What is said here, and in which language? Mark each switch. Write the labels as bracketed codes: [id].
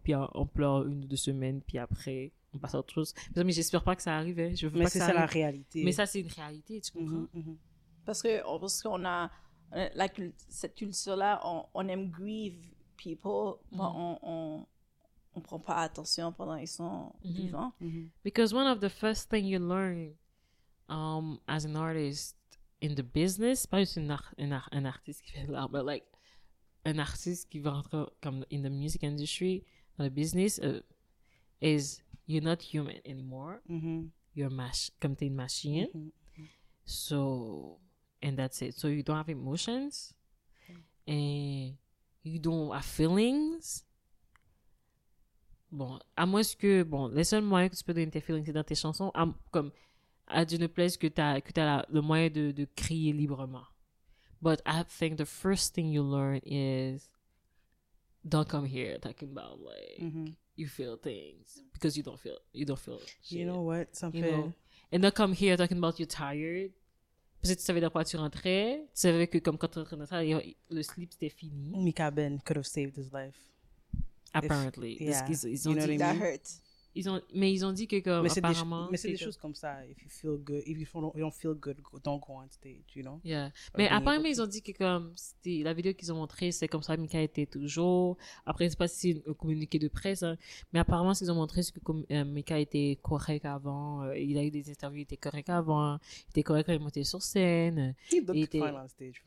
[fr] Puis on pleure une ou deux semaines. Puis après, on passe à autre chose. Mais j'espère pas que ça arrive. Hein. Je veux mais pas c'est que ça la réalité. Mais ça, c'est une réalité. Tu comprends? Parce qu'on a cette culture-là, on aime grieve people. Mais on prend pas attention pendant qu'ils sont vivants. [en] Because one of the first things you learn. [fr] As an artist in the business, pas juste un artiste qui fait de l'art, mais like un artiste qui va rentrer comme in the music industry, dans le business, is you're not human anymore. [en] You're comme t'es une machine. So, and that's it. So you don't have emotions, and you don't have feelings. [fr] Bon, à moins que bon, les seuls moyens que tu peux donner tes feelings c'est dans tes chansons, comme à d'une place que t'as le moyen de crier librement. [en] But I think the first thing you learn is don't come here talking about like you feel things because you don't feel shit. You know what? Something. And don't come here talking about you're tired. [fr] Parce que tu savais dans quoi tu rentrais. Tu savais que comme quand tu rentrais dans ça, le sleep c'était fini. [en] Mika Ben could have saved his life. Apparently. If, yeah. [fr] Ils ont [en] you know [fr] dit, [en] what I mean? That hurts. [fr] Ils ont dit que comme mais apparemment c'est des, mais c'est des choses comme ça. [en] If you feel good, if you, feel, you don't feel good, don't go on stage, you know. Yeah. [fr] Mais apparemment ils ont dit que comme c'était la vidéo qu'ils ont montré, c'est comme ça Mika était toujours. Après c'est pas si c'est un communiqué de presse, hein. Mais apparemment ce qu'ils ont montré, c'est que Mika était correct avant. Il a eu des interviews, il était correct avant. Il était correct quand il montait sur scène. [en] He looked fine on stage.